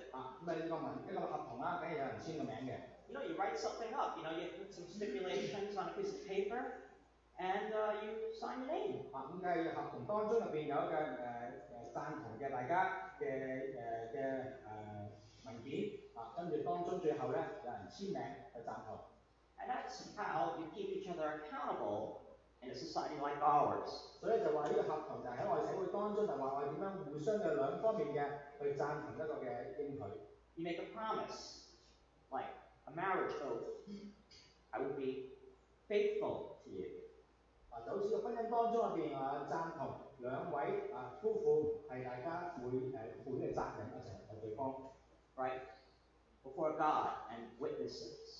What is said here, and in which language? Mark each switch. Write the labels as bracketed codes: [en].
[en] You know, you write something up, you know, you put some stipulations on a piece of paper, and you sign your name. And that's how you keep each other accountable in a society like ours. [yue] 所以就話呢個合同就係喺我哋社會當中，就話我點樣互相嘅兩方面嘅去贊同一個嘅應許。 [en] You make a promise, like a marriage oath. I will be faithful to you. [yue] 就好似婚姻當中入邊啊，贊同兩位啊夫婦係大家會誒負呢個責任一齊為對方。 [en] Right. Before God and witnesses.